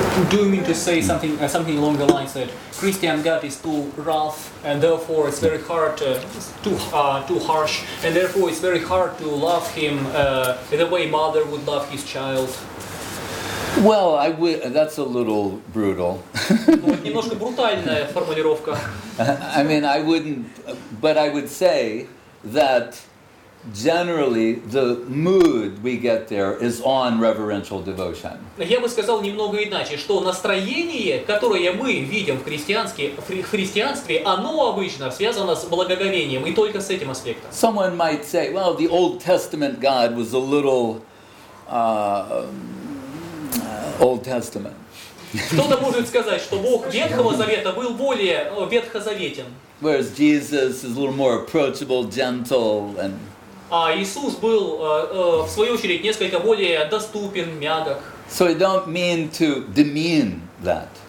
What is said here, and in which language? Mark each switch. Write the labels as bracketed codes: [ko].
[en] Do you mean to say something along the lines that Christian God is too rough and therefore it's very hard to, too harsh and therefore it's very hard to love him the way mother would love his child? Well, that's a little brutal. [ru] Немножко брутальная формулировка. [en] I mean, I wouldn't, but I would say that generally, the mood we get there is on reverential devotion. [ru] Я бы сказал немного иначе, что настроение, которое мы видим в христианстве, оно обычно связано с благоговением и только с этим аспектом. [en] Someone might say, "Well, the Old Testament God was a little Old Testament." [ru] Кто-то может сказать, что Бог Ветхого Завета был более ветхозаветен. [en] Whereas Jesus is a little more approachable, gentle, and [ru] А Иисус был, в свою очередь, несколько более доступен, мягок. [en] So I don't mean to demean that.